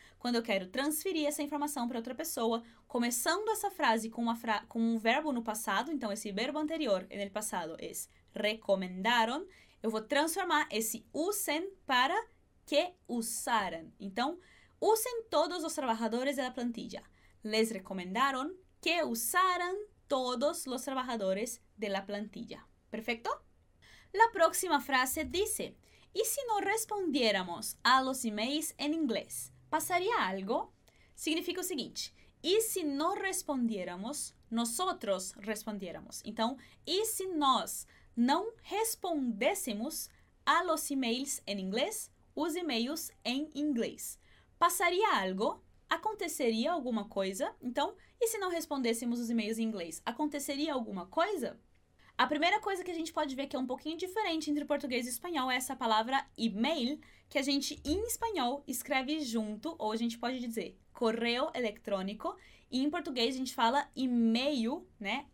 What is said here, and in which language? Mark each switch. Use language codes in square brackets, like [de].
[pt] Quando eu quero transferir essa informação para outra pessoa, começando essa frase com um verbo no passado, então esse verbo anterior, [es] en el passado, [pt] é recomendaron, eu vou transformar esse usen para que usaran. Então, usem todos os trabalhadores de la plantilla. [es] Les recomendaron que usaran todos los trabajadores de la plantilla. Perfecto? La próxima frase dice: ¿y si no respondiéramos a los emails en inglés, pasaría algo? [pt] Significa o seguinte: [es] ¿y si no respondiéramos, nosotros respondiéramos? [pt] Então, ¿y si nós não respondêssemos [es] a los emails en inglés, [pt] os e-mails em inglês? Passaria algo? Aconteceria alguma coisa? Então, e se não respondêssemos os e-mails em inglês? Aconteceria alguma coisa? A primeira coisa que a gente pode ver que é um pouquinho diferente entre português e espanhol é essa palavra e-mail, que a gente, em espanhol, escreve junto, ou a gente pode dizer correo eletrônico, e em português a gente fala e-mail, né?